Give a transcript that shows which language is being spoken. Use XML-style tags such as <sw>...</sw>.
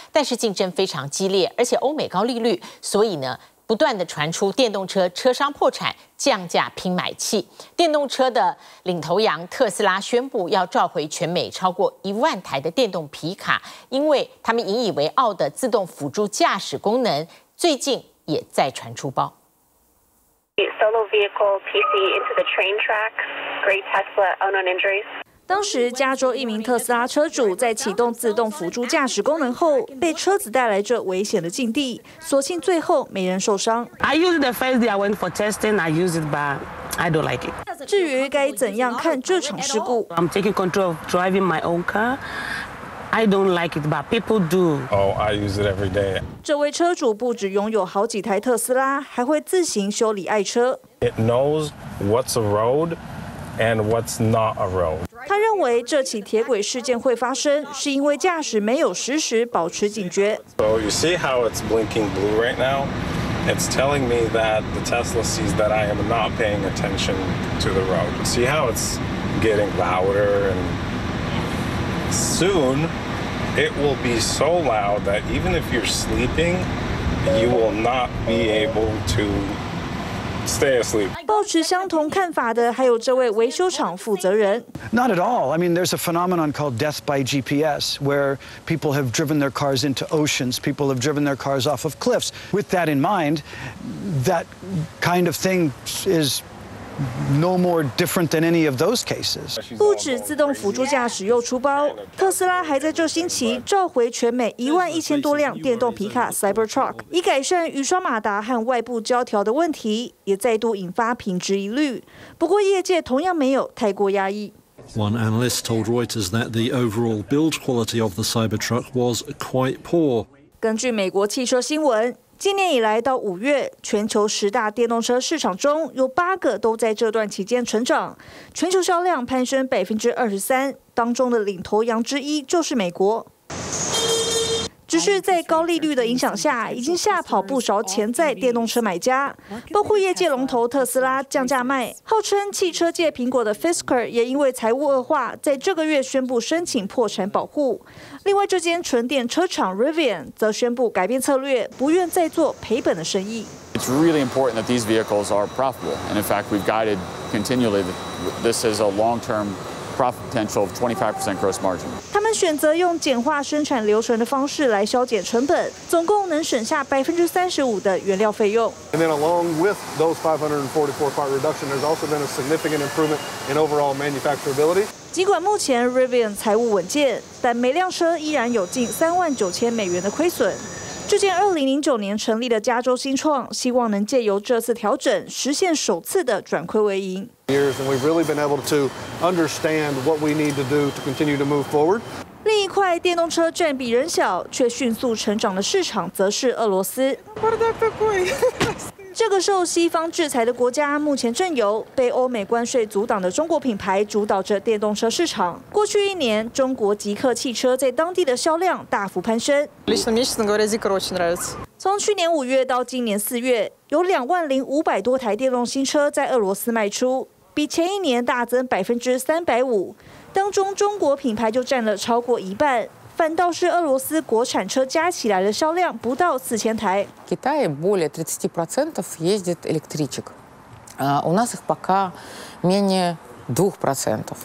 <zh>但是竞争非常激烈，而且欧美高利率，所以呢，不断的传出电动车车商破产，降价拼买气。电动车的领头羊特斯拉宣布要召回全美超过10000台的电动皮卡，因为他们引以为傲的自动辅助驾驶功能最近也再传出包。</zh> <en>Solo vehicle PC into the train track. Great Tesla unknown injuries.</en> <zh>当时加州一名特斯拉车主在启动自动辅助驾驶功能后，被车子带来这危险的境地，所幸最后没人受伤。</zh> <en>I used the first day I went for testing. I used it, but I don't like it.</en> <zh>至于该怎样看这场事故</zh> <en>？I'm taking control of driving my own car. I don't like it, but people do. Oh, I use it every day.</en> <zh>这位车主不止拥有好几台特斯拉，还会自行修理爱车。</zh> <en>It knows what's a road and what's not a road.</en> <zh>他认为这起铁轨事件会发生，是因为驾驶没有实时保持警觉。</zh> <en>So you see how it's blinking blue right now? It's telling me that the Tesla sees that I am not paying attention to the road. See how it's getting louder? And soon, it will be so loud that even if you're sleeping, you will not be able to stay asleep.</en> <zh>保持相同看法的还有这位维修厂负责人。</zh> <en>Not at all. I mean, there's a phenomenon called death by GPS, where people have driven their cars into oceans, people have driven their cars off of cliffs. With that in mind, that kind of thing is no more different than any of those cases.</en> <zh>不止自动辅助驾驶又出包，特斯拉还在这星期召回全美11000多辆电动皮卡 Cybertruck， 以改善雨刷马达和外部胶条的问题，也再度引发品质疑虑。不过，业界同样没有太过压抑。</zh> <en>One analyst told Reuters that the overall build quality of the Cybertruck was quite poor.</en> <zh>根据美国汽车新闻，今年以来到5月，全球10大电动车市场中有8个都在这段期间成长，全球销量攀升23%，当中的领头羊之一就是美国。只是在高利率的影响下，已经吓跑不少潜在电动车买家，包括业界龙头特斯拉降价卖，号称汽车界苹果的 Fisker 也因为财务恶化，在这个月宣布申请破产保护。另外，这间纯电车厂 Rivian 则宣布改变策略，不愿再做赔本的生意。</zh> <en>It's really important that these vehicles are profitable, and in fact, we've guided continually that this is a long-term profit potential of 25% gross margin.</en> <zh>选择用简化生产流程的方式来削减成本，总共能省下35%的原料费用。</zh> <en>And then along with those 544 part reduction, there's also been a significant improvement in overall manufacturability.</en> <zh>尽管目前 Rivian 财务稳健，但每辆车依然有近39000美元的亏损。这间2009年成立的加州新创，希望能借由这次调整，实现首次的转亏为盈。</zh> <en>Years, and we've really been able to understand what we need to do to continue to move forward.</en> <zh>另一块电动车占比仍小却迅速成长的市场，则是俄罗斯。这个受西方制裁的国家，目前正由被欧美关税阻挡的中国品牌主导着电动车市场。过去一年，中国极客汽车在当地的销量大幅攀升。从去年5月到今年4月，有20500多台电动新车在俄罗斯卖出，比前一年大增350%，当中中国品牌就占了超过一半。反倒是俄罗斯国产车加起来的销量不到4000台。</zh> <ru>Китае более 30% ездит электричек, а у нас их пока менее 2%。</ru>